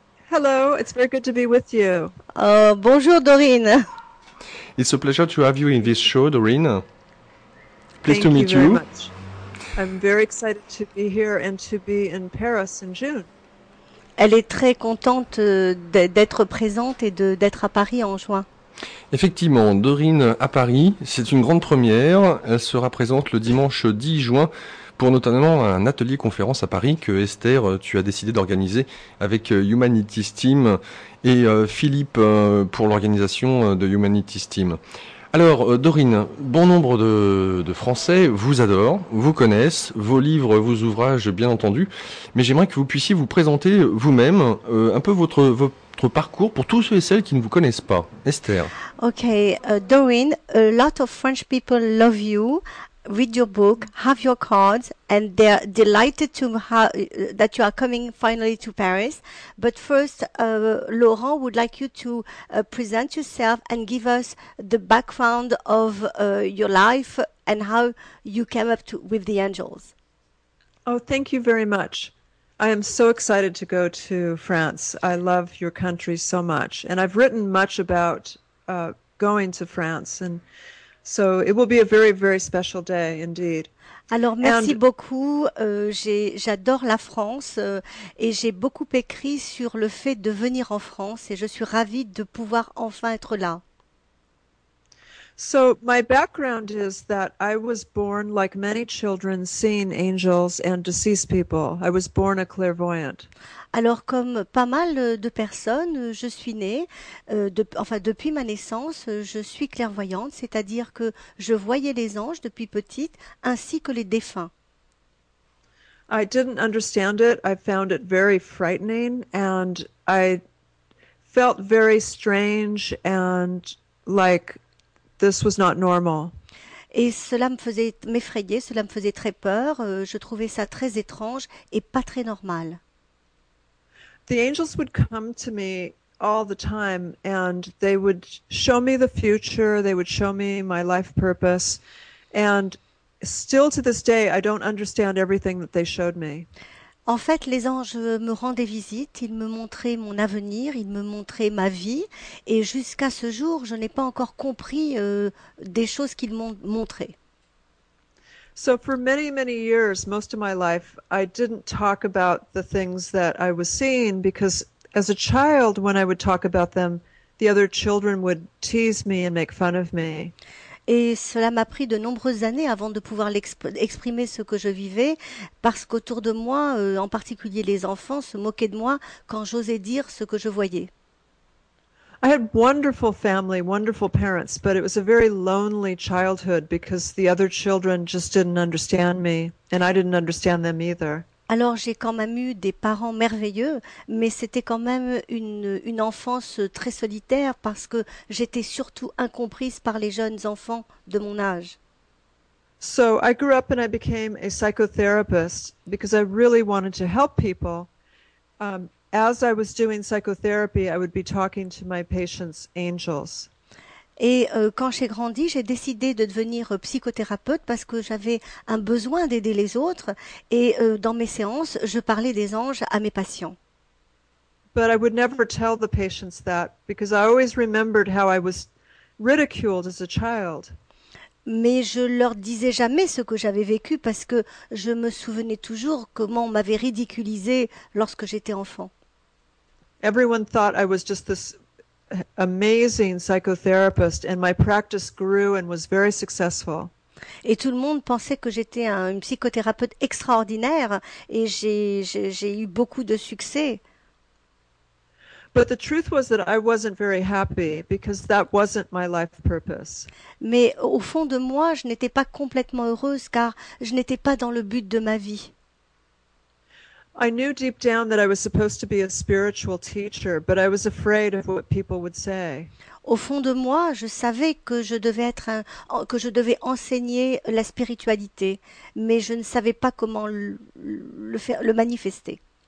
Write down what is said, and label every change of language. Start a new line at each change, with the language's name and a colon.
English: Hello, it's very good to be with you.
French: Bonjour, Doreen.
English: It's a pleasure to have you in this show, Doreen. Pleased to meet you. Thank you very much. I'm very excited to be here and to be in Paris in June.
French: Elle est très contente d'être présente et d'être à Paris en juin. Effectivement, Doreen à Paris, c'est une grande première. Elle sera présente le dimanche 10 juin. Pour notamment un atelier-conférence à Paris que Esther, tu as décidé d'organiser avec Humanities Team et Philippe pour l'organisation de Humanities Team. Alors, Dorine, bon nombre de Français vous adorent, vous connaissent, vos livres, vos ouvrages, bien entendu. Mais j'aimerais que vous puissiez vous présenter vous-même un peu votre parcours pour tous ceux et celles qui ne vous connaissent pas. Esther.
English: Okay, Dorine, a lot of French people love you. Read your book, have your cards, and they're delighted to that you are coming finally to Paris. But first, Laurent would like you to present yourself and give us the background of your life and how you came up with the angels. Oh, thank you very much. I am so excited to go to France. I love your country so much. And I've written much about going to France and so it will be a very, very special day indeed.
French: Alors, merci beaucoup. J'adore la France et j'ai beaucoup écrit sur le fait de venir en France et je suis ravie de pouvoir enfin être là.
English: So my background is that I was born like many children seeing angels and deceased people. I was born a clairvoyant.
French: Alors comme pas mal de personnes, je suis née depuis ma naissance, je suis clairvoyante, c'est-à-dire que je voyais les anges depuis petite ainsi que les défunts.
English: I didn't understand it. I found it very frightening and I felt very strange and like this was not normal.
French: Et cela me faisait m'effrayer, cela me faisait très peur. Je trouvais ça très étrange et pas très normal.
English: The angels would come to me all the time and they would show me the future, they would show me my life purpose. And still to this day, I don't understand everything that they showed me.
French: En fait, les anges me rendaient visite, ils me montraient mon avenir, ils me montraient ma vie, et jusqu'à ce jour, je n'ai pas encore compris des choses qu'ils m'ont montrées.
English: So for many, many years, most of my life, I didn't talk about the things that I was seeing, because as a child, when I would talk about them, the other children would tease me and make fun of me.
French: Et cela m'a pris de nombreuses années avant de pouvoir exprimer ce que je vivais, parce qu'autour de moi, en particulier les enfants, se moquaient de moi quand j'osais dire ce que je voyais.
English: I had wonderful family, wonderful parents, but it was a very lonely childhood because the other children just didn't understand me, and I didn't understand them either.
French: Alors j'ai quand même eu des parents merveilleux, mais c'était quand même une enfance très solitaire parce que j'étais surtout incomprise par les jeunes enfants de mon âge.
English: So I grew up and I became a psychotherapist because I really wanted to help people. As I was doing psychotherapy, I would be talking to my patients' angels.
French: Et quand j'ai grandi, j'ai décidé de devenir psychothérapeute parce que j'avais un besoin d'aider les autres. Et dans mes séances, je parlais des anges à mes patients.
English: But I would never tell the patients that because I always remembered how I was ridiculed as a child.
French: Mais je leur disais jamais ce que j'avais vécu parce que je me souvenais toujours comment on m'avait ridiculisé lorsque j'étais enfant.
English: Everyone thought I was just this amazing psychotherapist, and my practice grew and was very successful.
French: Et tout le monde pensait que j'étais une psychothérapeute extraordinaire et j'ai eu beaucoup de succès.
English: But the truth was that I wasn't very happy because that wasn't my life purpose.
French: Mais au fond de moi, je n'étais pas complètement heureuse car je n'étais pas dans le but de ma vie.
English: I knew deep down that I was supposed to be a spiritual teacher, but I was afraid of what people would say.
French: Au fond de moi, je savais que je devais enseigner la spiritualité, mais je ne savais pas comment le manifester.